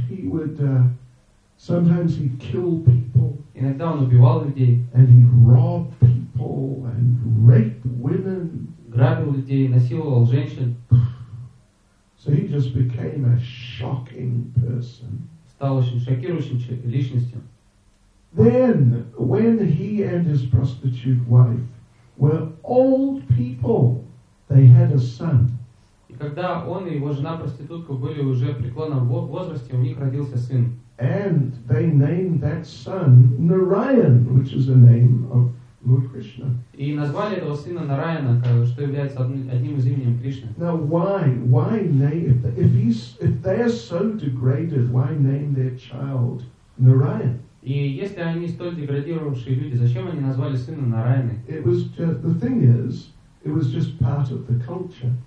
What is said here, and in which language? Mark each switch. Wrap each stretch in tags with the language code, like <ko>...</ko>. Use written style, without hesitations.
<en>He would sometimes he'd kill people.</en> <ru>Иногда он убивал людей.</ru> <en>And he'd rob people and rape women.</en> <ru>Грабил людей, насиловал женщин.</ru> <en>So he just became a shocking person.</en> <ru>Стал очень шокирующим личностью.</ru> <en>Then, when he and his prostitute wife were old people, they had a son.</en> <ru>И когда он и его жена-проститутка были уже в преклонном возрасте, у них родился сын.</ru> <en>And they named that son Narayan, which is a name of Lord Krishna.</en> <ru>И назвали этого сына Нараяна, что является одним из именем Кришны.</ru> <en>Now why name, if they're so degraded, why name their child Narayan?</en> <ru>И если они столь деградировавшие люди, зачем они назвали сына Нараяной?</ru> <en>It was just, the thing is, It was just part of the culture.</en>